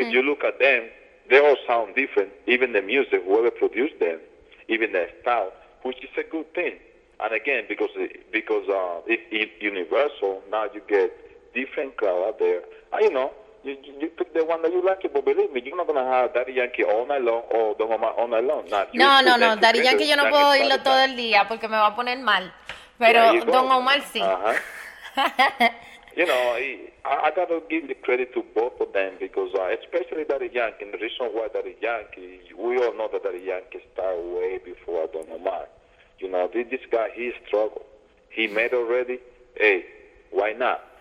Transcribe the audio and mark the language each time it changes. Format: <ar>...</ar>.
<en>if you look at them, they all sound different. Even the music, whoever produced them, even their style, which is a good thing. And again, because it's universal, now you get different crowd out there. And, you know, you pick the one that you like, but believe me, you're not going to have Daddy Yankee all night long or Don Omar all night long.</en> <es>No, Daddy Yankee yo no puedo oírlo todo el día porque me va a poner mal. Pero Don Omar sí. Uh-huh.</es> <en>You know, I got to give the credit to both of them because especially Daddy Yankee, and the reason why Daddy Yankee, we all know that Daddy Yankee started way before Don Omar. You know, this guy, he struggled. He made already, hey, why not?</en>